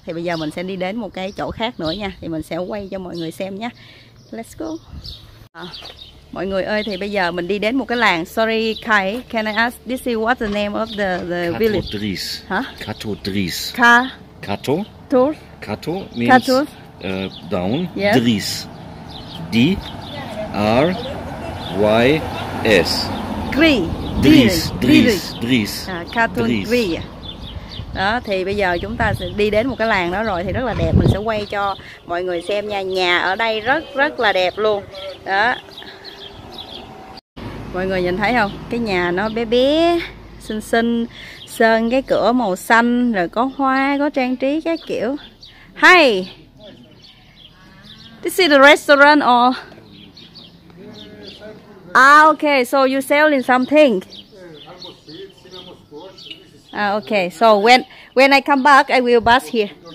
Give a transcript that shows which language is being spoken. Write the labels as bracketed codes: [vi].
[vi] Thì bây giờ mình sẽ đi đến một cái chỗ khác nữa nha, thì mình sẽ quay cho mọi người xem nhé. [en] Let's go. [vi] Mọi người ơi, thì bây giờ mình đi đến một cái làng. [en] Sorry Kai, can I ask this is what the name of the village? Catodris. Huh? Catodris. Ka. Cato. Tor. Cato means Cato. Down. Yes. Dris. D. R. Y S. Gri. Dris. Cartoon Gri. [vi] Đó, thì bây giờ chúng ta sẽ đi đến một cái làng đó rồi, thì rất là đẹp, mình sẽ quay cho mọi người xem nha. Nhà ở đây rất rất là đẹp luôn. Đó. Mọi người nhìn thấy không? Cái nhà nó bé bé, xinh xinh, sơn cái cửa màu xanh, rồi có hoa, có trang trí các kiểu. [en] Hey. This is the restaurant or okay, so you selling something? Okay, so when I come back, I will bus here.